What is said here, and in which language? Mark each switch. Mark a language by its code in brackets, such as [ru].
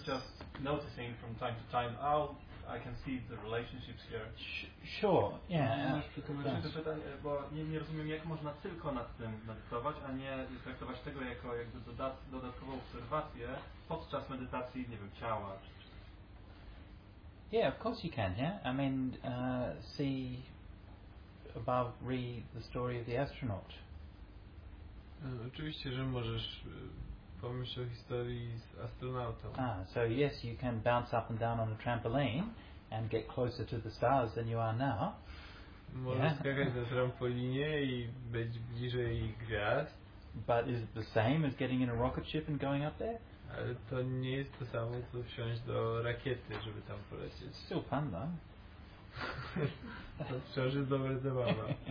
[en] just noticing from time to time, oh, I can see the relationships here. Sure, yeah. [pl] Bo nie rozumiem, jak można tylko nad tym medytować, a nie traktować tego jako jakby dodatkową obserwację podczas medytacji, nie wiem, ciała. [en] Yeah, of course you can, yeah. I mean, see above, read the story of the astronaut. [pl] Oczywiście, że możesz pomyśl o historii z astronautą. [en] Ah, so yes, you can bounce up and down on a trampoline and get closer to the stars than you are now. [pl] Możesz skakać na trampolinie i być bliżej gwiazd. [en] But is it the same as getting in a rocket ship and going up there? [pl] Ale to nie jest to samo, co wsiąść do rakiety, żeby tam polecieć. [en] Still fun, though. [pl] To wciąż jest dobre zabawa.